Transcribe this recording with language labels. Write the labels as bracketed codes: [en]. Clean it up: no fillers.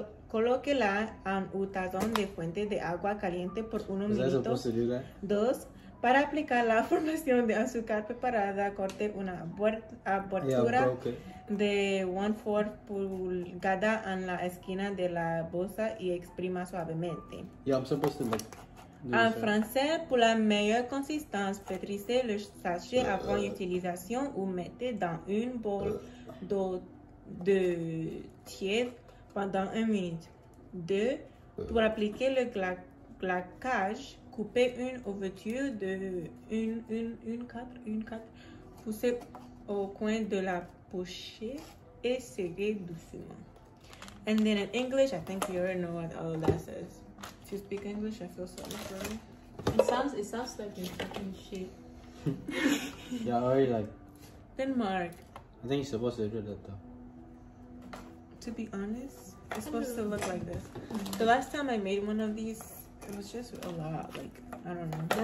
[es] Colóquela en un tazón de fuente de agua caliente por unos minutos. [en] Is that supposed to do that? [es] Dos. Para aplicar la formación de azúcar preparada, corte una abertura de 1/4 pulgada en la esquina de la bolsa y exprima suavemente. [en] Yeah, I'm supposed to make. [es] En francés, [fr] pour la meilleure consistance, pétrissez le sachet avant utilisation ou mettez dans une bol d'eau de tiède pendant une minute. Deux, pour appliquer le glaçage, coupez une ouverture de 1/4, poussez au coin de la pochette et serrez doucement. [en] And then in English, I think you already know what all of that says. If you speak English, I feel sorry for you. It sounds like you're fucking shit. Yeah, already like Denmark. I think you're supposed to do that though. To be honest, it's supposed to look like this. The last time I made one of these, it was just a lot, like, I don't know.